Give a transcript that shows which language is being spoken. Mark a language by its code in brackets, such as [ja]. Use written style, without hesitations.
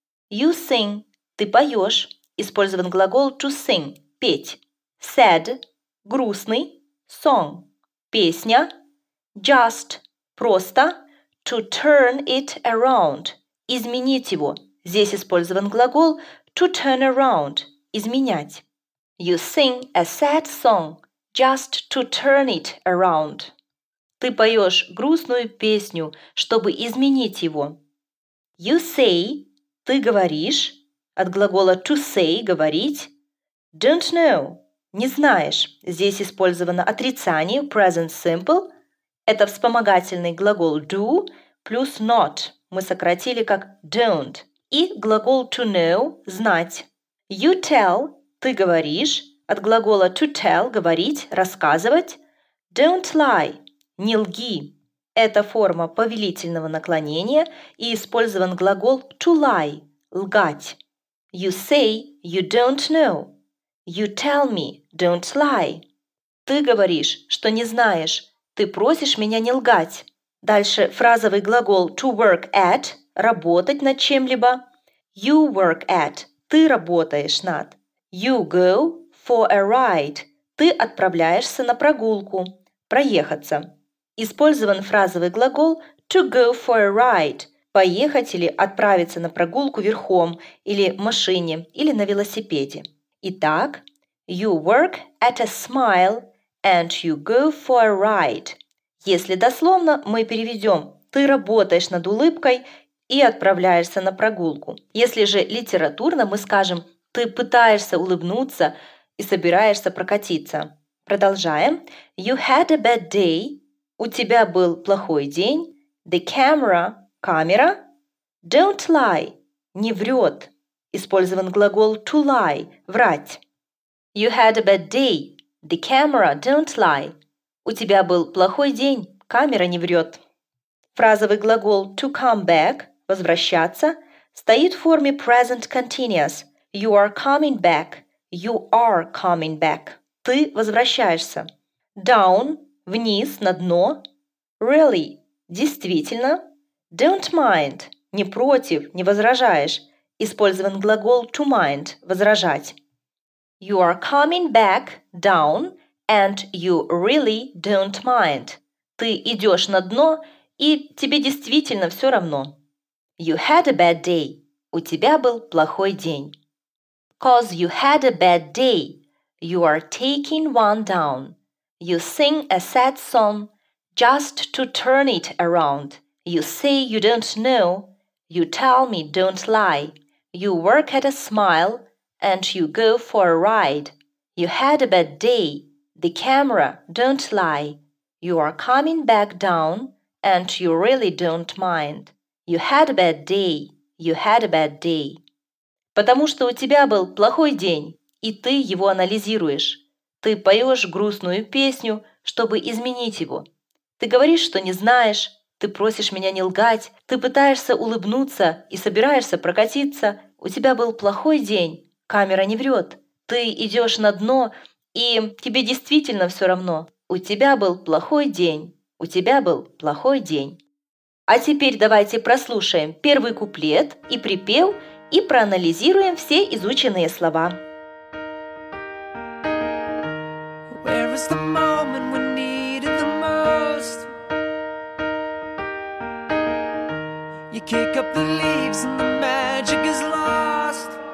[en] You sing [ru] – ты поешь. Использован глагол to sing – петь. [en] Sad [ru] – грустный. Song – песня. [en] Just [ru] – просто. [en] To turn it around [ru] – изменить его. Здесь использован глагол to turn around – изменять. [en] You sing a sad song just to turn it around. [ru] Ты поешь грустную песню, чтобы изменить его. [en] You say [ru] – ты говоришь. От глагола to say – говорить. [en] Don't know [ru] – не знаешь. Здесь использовано отрицание present simple – это вспомогательный глагол do плюс not. Мы сократили как don't. И глагол to know – знать. [en] You tell [ru] – ты говоришь. От глагола to tell – говорить, рассказывать. [en] Don't lie [ru] – не лги. Это форма повелительного наклонения и использован глагол to lie – лгать. [en] You say – you don't know. You tell me – don't lie. [ru] Ты говоришь, что не знаешь. Ты просишь меня не лгать. Дальше фразовый глагол to work at – работать над чем-либо. [en] You work at – [ru] ты работаешь над. [en] You go for a ride – [ru] ты отправляешься на прогулку. проехаться. Использован фразовый глагол [en] to go for a ride [ru] – поехать или отправиться на прогулку верхом или в машине или на велосипеде. Итак, [en] you work at a smile and you go for a ride. [ru] Если дословно, мы переведем «ты работаешь над улыбкой и отправляешься на прогулку». Если же литературно, мы скажем «ты пытаешься улыбнуться и собираешься прокатиться». Продолжаем. [en] You had a bad day. [ru] У тебя был плохой день. [en] The camera – камера. Don't lie [ru] – не врет. Использован глагол to lie – врать. [en] You had a bad day. The camera – don't lie. [ru] У тебя был плохой день. Камера не врет. Фразовый глагол to come back – возвращаться. Стоит в форме present continuous. [en] You are coming back. You are coming back. [ru] Ты возвращаешься. Down – вниз, на дно. Really – действительно. [en] Don't mind [ru] – не против, не возражаешь. Использован глагол to mind – возражать. [en] You are coming back down and you really don't mind. [ru] Ты идешь на дно и тебе действительно все равно. [en] You had a bad day – [ru] у тебя был плохой день. [en] Cause you had a bad day – you are taking one down. You sing a sad song just to turn it around. You say you don't know. You tell me don't lie. You work at a smile and you go for a ride. You had a bad day. The camera don't lie. You are coming back down and you really don't mind. You had a bad day. You had a bad day. [ru] Потому что у тебя был плохой день. И ты его анализируешь. Ты поешь грустную песню, чтобы изменить его. Ты говоришь, что не знаешь. Ты просишь меня не лгать. Ты пытаешься улыбнуться и собираешься прокатиться. У тебя был плохой день. Камера не врет. Ты идешь на дно, и тебе действительно все равно. У тебя был плохой день. У тебя был плохой день. А теперь давайте прослушаем первый куплет и припев и проанализируем все изученные слова. [en] Where was the moment we needed the most? You kick up the leaves and the magic is lost.